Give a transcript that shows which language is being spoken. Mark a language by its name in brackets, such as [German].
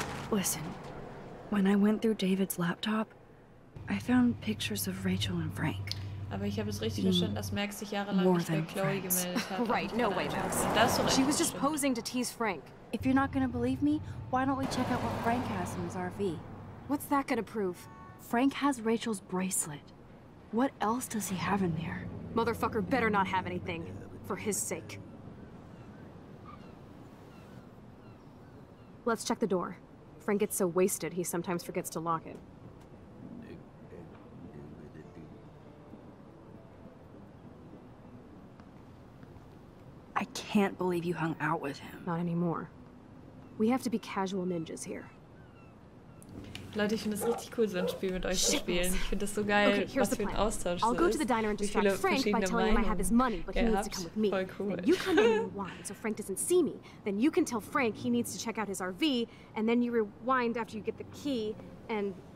[English] Listen, when I went through David's laptop, I found pictures of Rachel and Frank. [German] Aber ich habe es richtig verstanden, dass Max sich jahrelang nicht bei Chloe gemeldet hat. [English] Right, no way, Max. She was just posing to tease Frank. If you're not gonna believe me, why don't we check out what Frank has in his RV? What's that gonna prove? Frank has Rachel's bracelet. What else does he have in there? Motherfucker better not have anything, for his sake. Let's check the door. Frank gets so wasted, he sometimes forgets to lock it. I can't believe you hung out with him. Not anymore. We have to be casual ninjas here. [German] Leute, ich finde es richtig cool, so ein Spiel mit euch zu spielen. Ich finde das so geil, okay, was für ein Austausch [English] I'll so go [German] ist. [English] To the diner and distract Frank by telling him I have his money, but he needs to come with me. [German] Voll cool. [English] Then you come and rewind, so Frank doesn't see me. Then you can tell Frank he needs to check out his RV, and then you rewind after you get the key, and...